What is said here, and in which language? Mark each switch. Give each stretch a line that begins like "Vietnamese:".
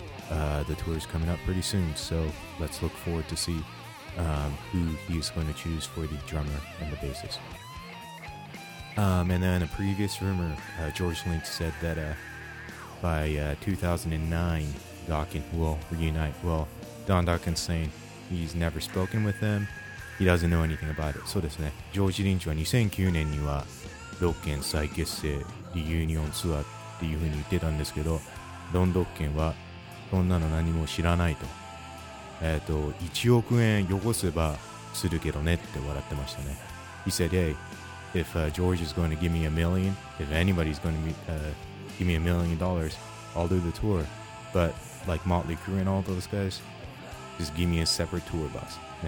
English: The tour is coming up pretty soon, so let's look forward to see who he is going to choose for the drummer and the bassist. And then a previous rumor, George Lynch said that by 2009, Dokken will reunite. Well, Don Dokken's saying he's never spoken with them. He doesn't know anything about it.
Japanese: So ですね、George Lynch は2009年にはドッケン再結成リユニオンツアーっていう風に言ってたんですけど、ドン・ドッケンはそんなの何も知らないと、1億円よこせばするけどねって笑ってましたね。
English: He said, hey, if George is going to give me a million, if anybody's going to be, give me $1 million, I'll do the tour, but like Motley Crue and all those guys, just give me a separate tour bus.